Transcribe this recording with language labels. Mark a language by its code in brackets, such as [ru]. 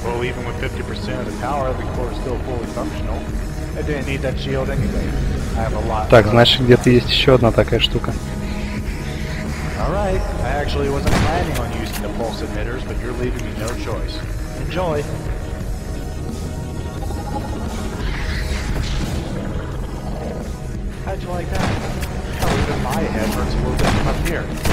[en] Well, even with 50% of the power, the core is still fully functional. I didn't need that shield anyway. I have a lot. [ru] Так, значит, где-то есть еще одна такая штука. [en] All right. I actually wasn't planning on using the pulse emitters, but you're leaving me no choice. Enjoy. How'd you like that? My head hurts a little bit up here.